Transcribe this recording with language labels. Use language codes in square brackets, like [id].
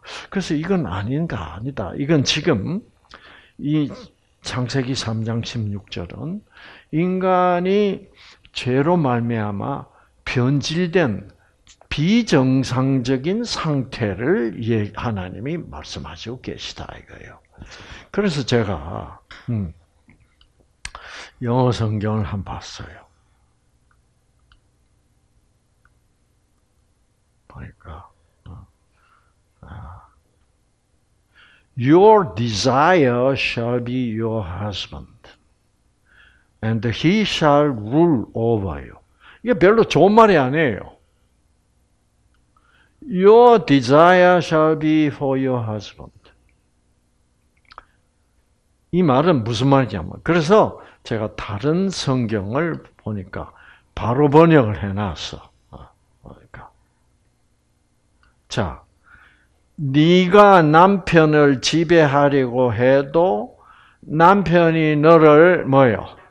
[ko] 그래서 이건 아닌가, 아니다. 이건 지금, 이 창세기 3장 16절은 인간이 죄로 말미암아 변질된 비정상적인 상태를 하나님이 말씀하시고 계시다 이거예요. 그래서 제가 영어 성경을 한번 봤어요. 보니까 [en] Your desire shall be your husband, and he shall rule over you. [ko] 이게 별로 좋은 말이 아니에요. [en] Your desire shall be for your husband. [ko] 이 말은 무슨 말이냐면, 그래서 제가 다른 성경을 보니까 바로 번역을 해놨어. 그러니까. 자, 네가 남편을 지배하려고 해도 남편이 너를 뭐요?